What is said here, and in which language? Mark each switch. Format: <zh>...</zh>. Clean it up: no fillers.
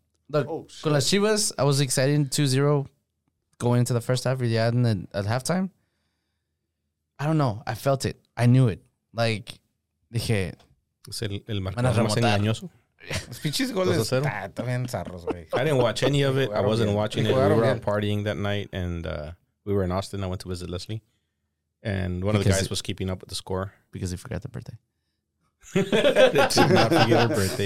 <en>Con las Chivas, I was excited 2-0. Going into the first half, really, and then at halftime, I don't know. I felt it. I knew it. Like, dije,</en> <es>es el marcador más engañoso. Los pinches goles. También zarros,</es> <en>güey. I didn't watch any of it. I wasn't watching it. We were out partying that night, and we were in Austin. I went to visit Leslie, and one of the guys was keeping up with the score. Because he forgot the birthday. They did not forget her birthday.</en>